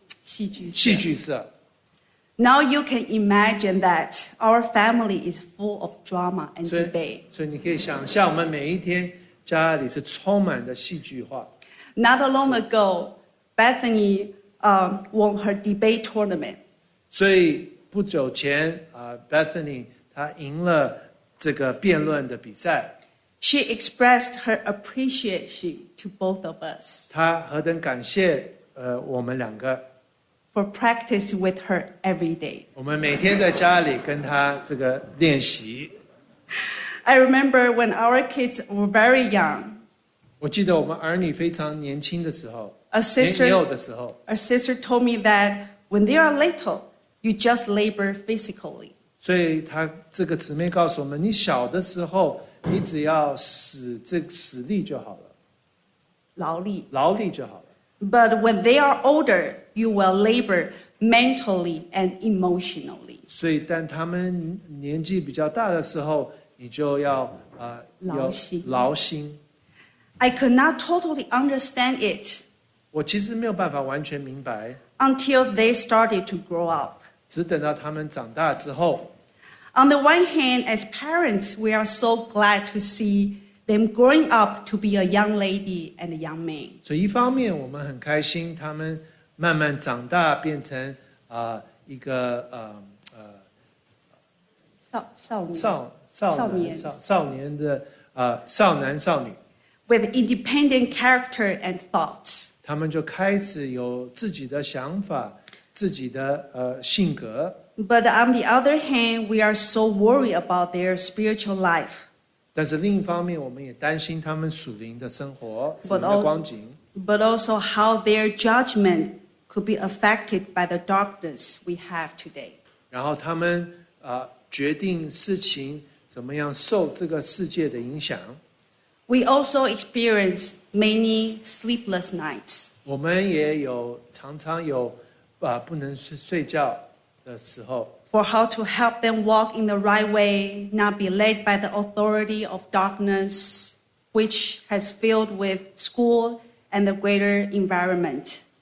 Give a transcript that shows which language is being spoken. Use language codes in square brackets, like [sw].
[zh] 戏剧社。 [en] Now you can imagine that our family is full of drama and debate. [zh] 所以你可以想象我们每一天家里是充满的戏剧化。 [en] Not long ago, Bethany won her debate tournament. [zh] 所以不久前Bethany 她赢了这个辩论的比赛。 [en] She expressed her appreciation to both of us. [zh] 她何等感谢我们两个。 [en] For practice with her every day. [zh] 我们每天在家里跟她这个练习。 [en] I remember when our kids were very young. [zh] 我记得我们儿女非常年轻的时候。 [en] A sister told me that when they are little, you just labor physically. [zh] 所以她这个姊妹告诉我们，你小的时候，你只要使力就好了。劳力。劳力就好了。 [en] But when they are older, you will labor mentally and emotionally. [zh] 所以当他们年纪比较大的时候，你就要劳心。 [en] I could not totally understand it. [zh] 我其实没有办法完全明白。 [en] Until they started to grow up. [zh] 只等到他们长大之后。 [en] On the one hand, as parents, we are so glad to see them growing up to be a young lady and a young man. [zh] 所以一方面我们很开心他们慢慢长大变成一个少年的少男少女。 [en] With independent character and thoughts. [zh] 他们就开始有自己的想法，自己的性格。 [en] But on the other hand, we are so worried about their spiritual life. [zh] 但是另一方面，我们也担心他们属灵的生活、属灵的光景。 [en] But also how their judgment could be affected by the darkness we have today. [zh] 然后他们决定事情怎么样受这个世界的影响。 [en] We also experience many sleepless nights. [zh] 我们也有常常有不能睡觉的时候。 [en] For how to help them walk in the right way, not be led by the authority of darkness, which has filled with school and the greater environment.